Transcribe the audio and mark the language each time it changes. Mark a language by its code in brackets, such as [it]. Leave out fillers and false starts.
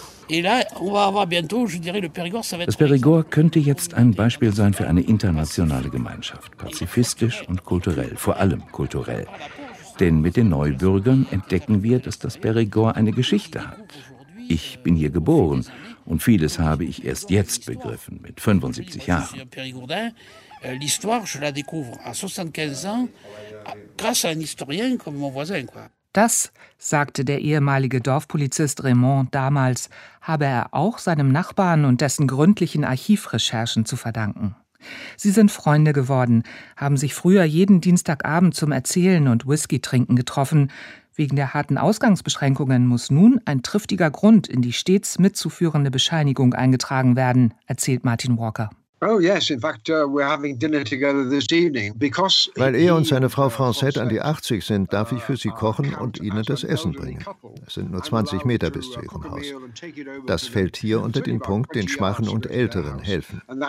[de] Das Périgord könnte jetzt ein Beispiel sein für eine internationale Gemeinschaft, pazifistisch und kulturell, vor allem kulturell. Denn mit den Neubürgern entdecken wir, dass das Périgord eine Geschichte hat. Ich bin hier geboren und vieles habe ich erst jetzt begriffen, mit 75 Jahren. [fr] L'histoire, je la découvre à 75 ans, grâce à un historien comme mon voisin. [de] Das, sagte der ehemalige Dorfpolizist Raymond damals, habe er auch seinem Nachbarn und dessen gründlichen Archivrecherchen zu verdanken. Sie sind Freunde geworden, haben sich früher jeden Dienstagabend zum Erzählen und Whisky-Trinken getroffen. Wegen der harten Ausgangsbeschränkungen muss nun ein triftiger Grund in die stets mitzuführende Bescheinigung eingetragen werden, erzählt Martin Walker. [en] Oh yes, in fact we're having dinner together this evening because [de] weil er und seine Frau Francette an die 80 sind, darf ich für sie kochen und ihnen das Essen bringen. Es sind nur 20 Meter bis zu ihrem Haus. Das fällt hier unter den Punkt, den Schwachen und Älteren helfen.